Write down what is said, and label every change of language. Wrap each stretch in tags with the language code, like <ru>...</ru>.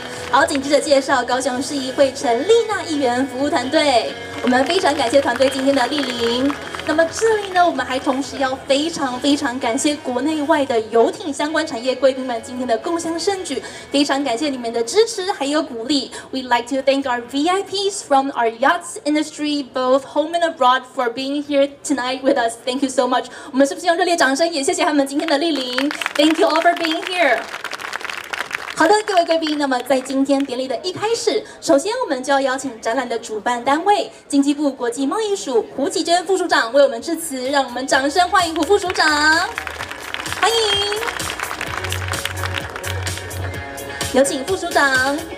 <zh>好，紧接着介绍高雄市议会陈丽娜议员服务团队，我们非常感谢团队今天的莅临。那么这里呢，我们还同时要非常非常感谢国内外的游艇相关产业贵宾们今天的共襄盛举，非常感谢你们的支持还有鼓励。</zh> <en>We'd like to thank our VIPs from our yachts industry both home and abroad for being here tonight with us. Thank you so much.</en> <zh>我们是不是用热烈掌声也谢谢他们今天的莅临。</zh> <en>Thank you all for being here。</en> <zh>好的，各位贵宾，那么在今天典礼的一开始，首先我们就要邀请展览的主办单位经济部国际贸易署胡启娟副署长为我们致辞，让我们掌声欢迎胡副署长，欢迎，有请副署长。</zh>